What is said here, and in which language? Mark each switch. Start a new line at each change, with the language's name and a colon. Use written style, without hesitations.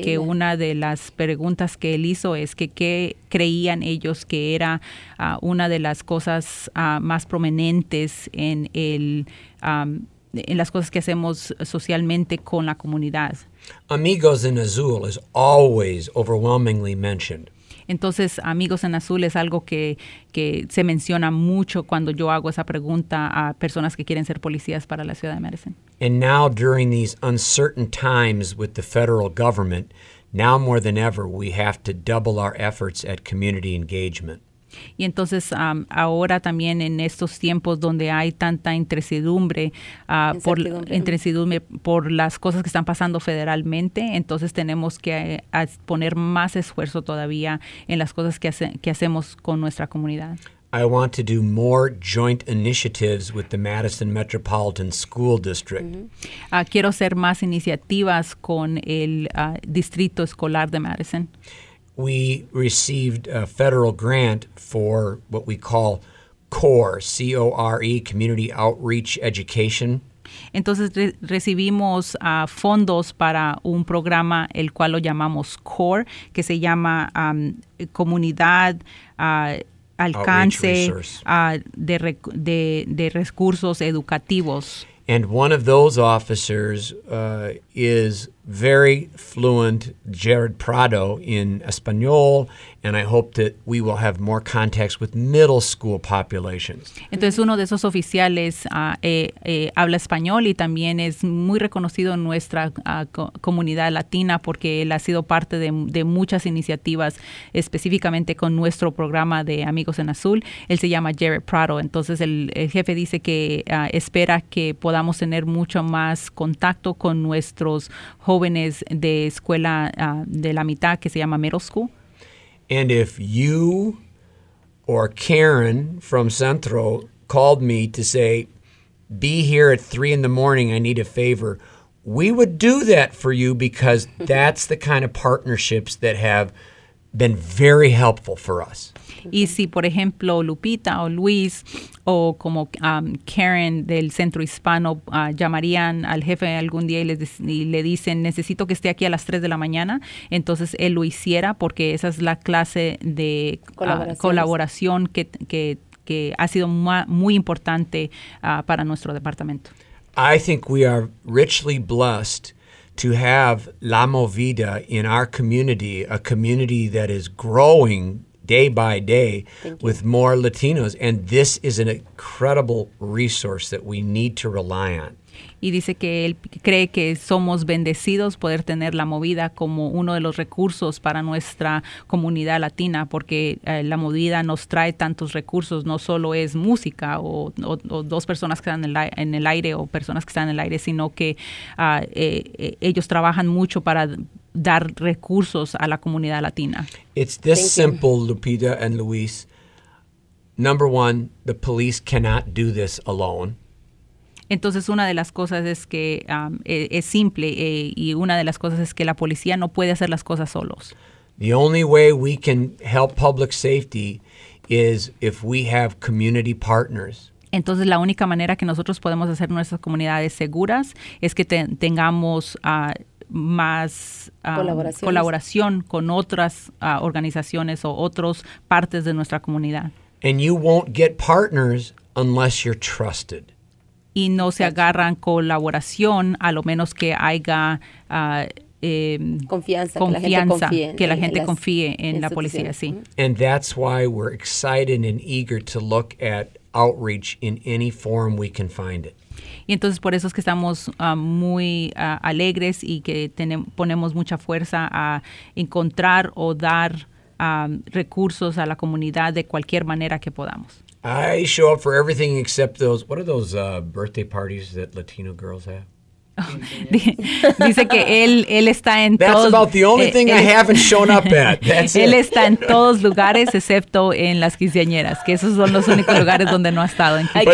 Spanish: Y que una de las preguntas que él hizo es que qué creían ellos que era una de las cosas más prominentes en el en las cosas que hacemos socialmente con la comunidad.
English: Amigos en Azul is always overwhelmingly mentioned.
Spanish: Entonces, Amigos en Azul es algo que se menciona mucho cuando yo hago esa pregunta a personas que quieren ser policías para la ciudad de Madison.
English: And now during these uncertain times with the federal government, now more than ever we have to double our efforts at community engagement.
Spanish: Y entonces ahora también en estos tiempos donde hay tanta incertidumbre, por las cosas que están pasando federalmente, entonces tenemos que poner más esfuerzo todavía en las cosas que hacemos con nuestra comunidad.
English: I want to do more joint initiatives with the Madison Metropolitan School District. Mm-hmm.
Spanish: Quiero hacer más iniciativas con el distrito escolar de Madison.
English: We received a federal grant for what we call CORE, C-O-R-E, Community Outreach Education.
Spanish: Entonces recibimos fondos para un programa el cual lo llamamos CORE, que se llama Comunidad Alcance de recursos educativos.
English: And one of those officers is very fluent, Jared Prado, in Espanol, and I hope that we will have more contacts with middle school populations.
Spanish: Entonces, uno de esos oficiales habla español y también es muy reconocido en nuestra comunidad latina porque él ha sido parte de muchas iniciativas, específicamente con nuestro programa de Amigos en Azul. Él se llama Jared Prado. Entonces, el jefe dice que espera que podamos tener mucho más contacto con nuestros jóvenes de escuela de la mitad que se llama middle school.
English: And if you or Karen from Centro called me to say, be here at 3 a.m, I need a favor, we would do that for you because that's the kind of partnerships that have been very helpful for us.
Spanish: Y si, por ejemplo, Lupita o Luis o como Karen del Centro Hispano llamarían al jefe algún día y le dicen, necesito que esté aquí a las 3 de la mañana, entonces él lo hiciera porque esa es la clase de colaboración que ha sido muy importante para nuestro departamento.
English: I think we are richly blessed to have La Movida in our community, a community that is growing day by day with more Latinos. And this is an incredible resource that we need to rely on.
Spanish: Y dice que él cree que somos bendecidos poder tener La Movida como uno de los recursos para nuestra comunidad latina, porque La Movida nos trae tantos recursos, no solo es música o dos personas que están en el aire o personas que están en el aire, sino que ellos trabajan mucho para dar recursos a la comunidad latina.
English: It's this simple, Lupita and Luis. Number one, the police cannot do this alone.
Spanish: Entonces, una de las cosas es que es simple y una de las cosas es que la policía no puede hacer las cosas solos.
English: The only way we can help public safety is if we have community partners.
Spanish: Entonces, la única manera que nosotros podemos hacer nuestras comunidades seguras es que tengamos más colaboración con otras organizaciones o otras partes de nuestra comunidad.
English: And you won't get partners unless you're trusted.
Spanish: Y no se agarran colaboración a lo menos que haya confianza, que la gente confíe en la policía. Sí.
English: And that's why we're excited and eager to look at outreach in any form we can find it.
Spanish: Y entonces por eso es que estamos muy alegres y que ponemos mucha fuerza a encontrar o dar recursos a la comunidad de cualquier manera que podamos.
English: I show up for everything except those, what are those birthday parties that Latino girls have?
Spanish: Dice que él está en todos.
English: That's about the only thing I haven't shown up at. That's
Spanish: él está en todos lugares excepto en las quinceañeras, que esos son los únicos lugares donde no ha estado en quinceañeras.